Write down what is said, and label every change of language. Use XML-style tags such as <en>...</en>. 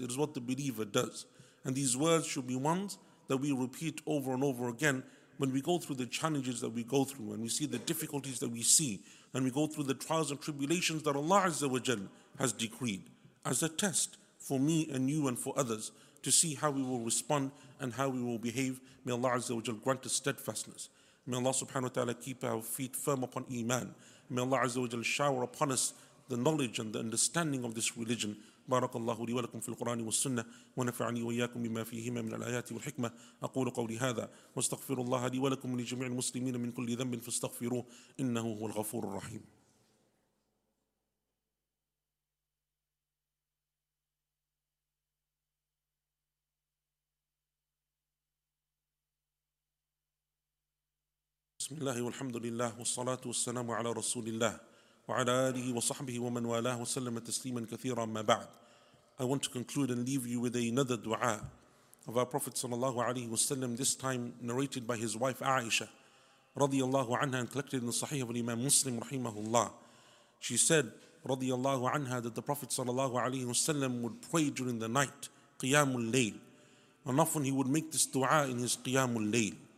<en>It is what the believer does. And these words should be ones that we repeat over and over again when we go through the challenges that we go through, when we see the difficulties that we see, and we go through the trials and tribulations that Allah Azza wa Jal has decreed as a test for me and you and for others to see how we will respond and how we will behave. May Allah Azza wa Jal grant us steadfastness. May Allah subhanahu wa ta'ala keep our feet firm upon iman. May Allah Azza wa Jal shower upon us the knowledge and the understanding of this religion.</en> <ar>بارك الله لي ولكم في القرآن والسنة ونفعني وإياكم بما فيهما من الآيات والحكمة أقول قولي هذا واستغفر الله لي ولكم ولجميع المسلمين من كل ذنب فاستغفروه إنه هو الغفور الرحيم. بسم الله والحمد لله والصلاة والسلام على رسول الله وعلى آله وصحبه ومن والاه وسلم تسليما كثيرا ما بعد.</ar> <en>I want to conclude and leave you with another dua of our Prophet sallallahu alaihi wasallam, this time narrated by his wife Aisha radiyallahu anha and collected in the Sahih of Imam Muslim rahimahullah. She said radiyallahu anha that the Prophet sallallahu alaihi wasallam would pray during the night, qiyamul layl, and often he would make this dua in his qiyamul layl.</en>